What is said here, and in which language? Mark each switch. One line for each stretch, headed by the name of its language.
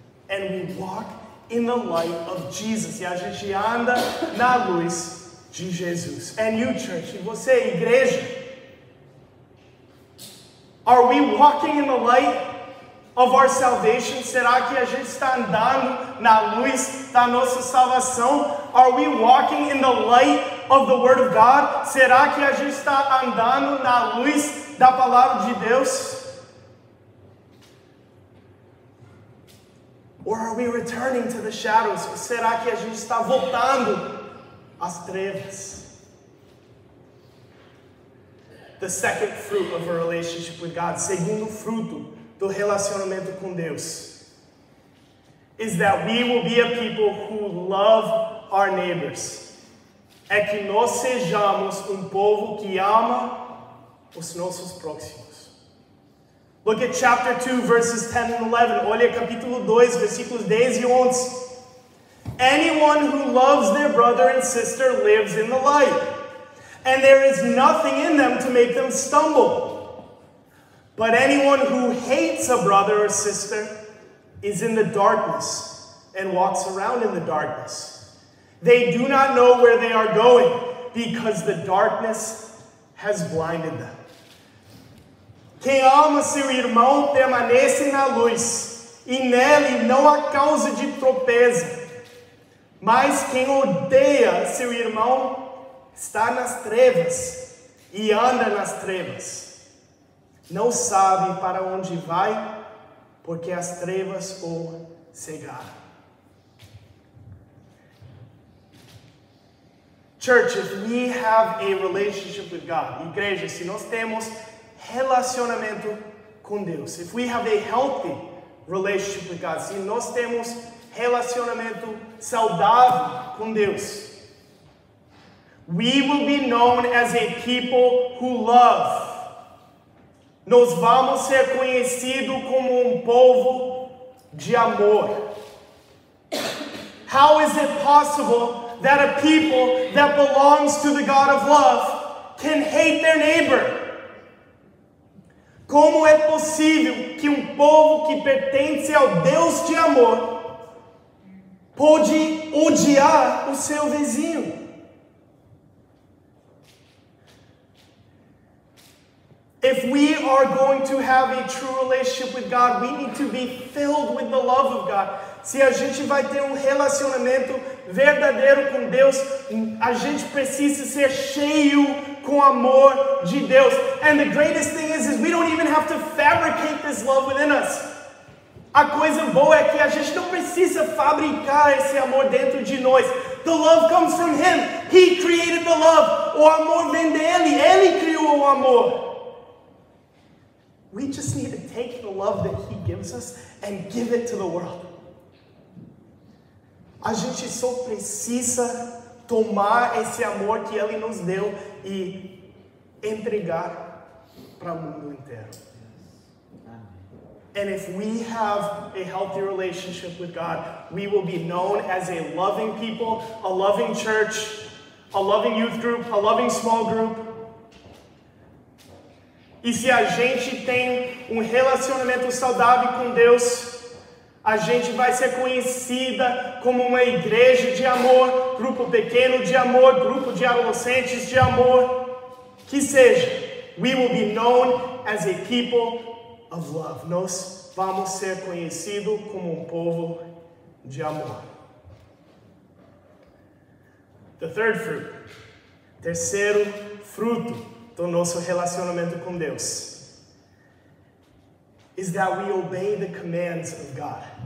English: And we walk in the light of Jesus.
Portuguese: E a gente anda na luz de Jesus.
English: And you, church.
Portuguese: E você, igreja.
English: Are we walking in the light of our salvation?
Portuguese: Será que a gente está andando na luz da nossa salvação?
English: Are we walking in the light of the Word of God?
Portuguese: Será que a gente está andando na luz da Palavra de Deus?
English: Or are we returning to the shadows?
Portuguese: Será que a gente está voltando às trevas?
English: The second fruit of a relationship with God.
Portuguese: Segundo fruto do relacionamento com Deus
English: is that we will be a people who love our neighbors.
Portuguese: É que nós sejamos um povo que ama os nossos próximos.
English: Look at chapter 2, verses 10 and 11.
Portuguese: Olha capítulo 2, versículos 10 e 11.
English: Anyone who loves their brother and sister lives in the light, and there is nothing in them to make them stumble. But anyone who hates a brother or sister is in the darkness and walks around in the darkness. They do not know where they are going because the darkness has blinded them.
Portuguese: Quem ama seu irmão permanece na luz, e nele não há causa de tropeço. Mas quem odeia seu irmão está nas trevas e anda nas trevas. Não sabe para onde vai, porque as trevas o cegaram.
English: Church, if we have a relationship with God,
Portuguese: igreja, se nós temos relacionamento com Deus,
English: if we have a healthy relationship with God,
Portuguese: se nós temos relacionamento saudável com Deus,
English: we will be known as a people who love.
Portuguese: Nós vamos ser conhecidos como povo de amor.
English: How is it possible that a people that belongs to the God of love can hate their neighbor?
Portuguese: Como é possível que povo que pertence ao Deus de amor pode odiar o seu vizinho?
English: If we are going to have a true relationship with God, we need to be filled with the love of God.
Portuguese: Se a gente vai ter relacionamento verdadeiro com Deus, a gente precisa ser cheio com amor de Deus.
English: And the greatest thing is we don't even have to fabricate this love within us.
Portuguese: A coisa boa é que a gente não precisa fabricar esse amor dentro de nós.
English: The love comes from Him. He created the love.
Portuguese: O amor vem dele. Ele criou o amor.
English: We just need to take the love that He gives us and give it to the world.
Portuguese: A gente só precisa tomar esse amor que Ele nos deu e entregar para o mundo inteiro.
English: And if we have a healthy relationship with God, we will be known as a loving people, a loving church, a loving youth group, a loving small group.
Portuguese: E se a gente tem relacionamento saudável com Deus, a gente vai ser conhecida como uma igreja de amor, grupo pequeno de amor, grupo de adolescentes de amor, que seja.
English: We will be known as a people of love.
Portuguese: Nós vamos ser conhecidos como povo de amor.
English: The third fruit,
Portuguese: terceiro fruto do nosso relacionamento com Deus,
English: is that we obey the commands of God.